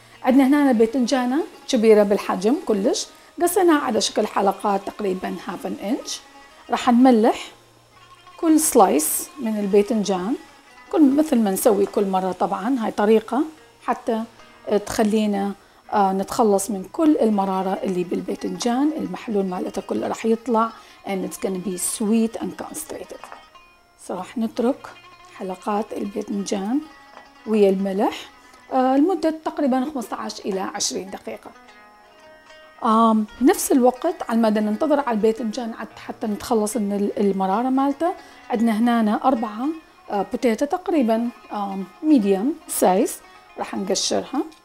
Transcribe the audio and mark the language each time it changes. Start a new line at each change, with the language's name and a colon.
Arabic: عندنا هنا باذنجانة كبيرة بالحجم كلش، قصيناها على شكل حلقات تقريبا
English: Half an inch.
Arabic: رح نملح كل سلايس من الباذنجان، كل مثل ما نسوي كل مرة. طبعا هاي طريقة حتى تخلينا نتخلص من كل المرارة اللي بالباذنجان. المحلول مالته كله رح يطلع
English: and it's gonna be sweet and concentrated.
Arabic: صراحة نترك حلقات الباذنجان ويا الملح لمدة تقريبا 15 إلى 20 دقيقة. نفس الوقت على المدى ننتظر على الباذنجان حتى نتخلص من المرارة مالته، عندنا هنا أربعة بوتيتا تقريبا
English: medium size
Arabic: راح نقشرها.